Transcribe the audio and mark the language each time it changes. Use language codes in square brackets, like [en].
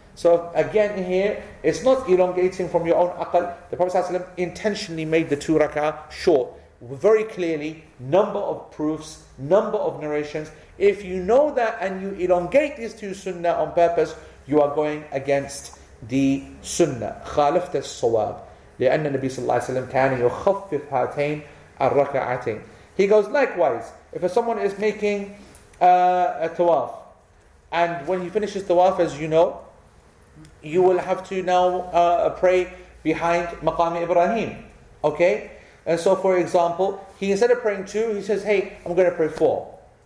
[en] So again here, it's not elongating from your own aql. The Prophet ﷺ intentionally made the two rak'ah short. Very clearly, number of proofs, number of narrations. If you know that and you elongate these two sunnah on purpose, you are going against the sunnah. [ar] خالفت الصواب. لأن النبي صلى الله عليه وسلم كان يخفف هاتين الركعتين. [en] He goes, likewise, if someone is making a tawaf, and when he finishes tawaf, as you know, you will have to now pray behind Maqam Ibrahim. Okay? And so, for example, he, instead of praying two, he says, hey, I'm going to pray four.